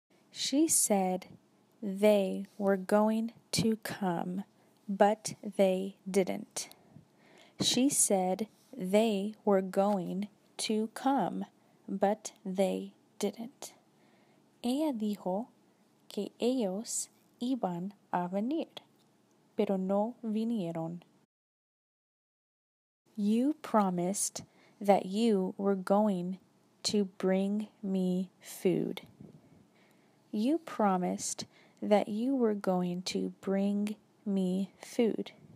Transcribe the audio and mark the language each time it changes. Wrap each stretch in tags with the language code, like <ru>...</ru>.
<en>She said they were going to come, but they didn't. She said they were going to come, but they didn't.</en> <es>Ella dijo que ellos iban a venir, pero no vinieron.</es> <en>You promised that you were going to bring me food. You promised that you were going to bring me food.</en>